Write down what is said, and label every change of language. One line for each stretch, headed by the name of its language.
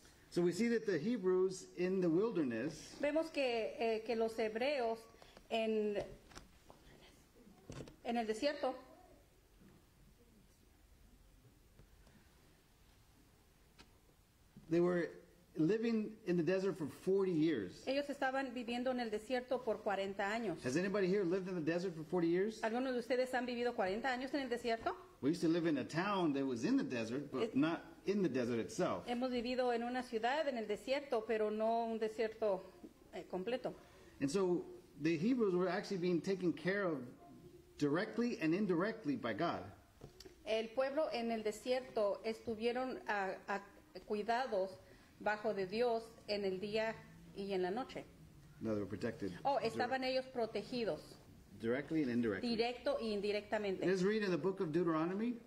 English: So we see that the Hebrews in the wilderness.
Spanish: Vemos que los hebreos en el desierto.
English: They were living in the desert for 40 years.
Spanish: Ellos estaban viviendo en el desierto por 40 años.
English: Has anybody here lived in the desert for 40 years?
Spanish: ¿Algunos de ustedes han vivido 40 años en el desierto?
English: We used to live in a town that was in the desert, but not in the desert itself.
Spanish: Hemos vivido en una ciudad en el desierto, pero no un desierto completo.
English: And so the Hebrews were actually being taken care of directly and indirectly by God.
Spanish: El pueblo en el desierto estuvieron a cuidados bajo de Dios en el día y en la noche.
English: No, they were protected.
Spanish: Oh, estaban ellos protegidos.
English: Directly and indirectly.
Spanish: Directo e indirectamente.
English: Let's read in the book of Deuteronomy.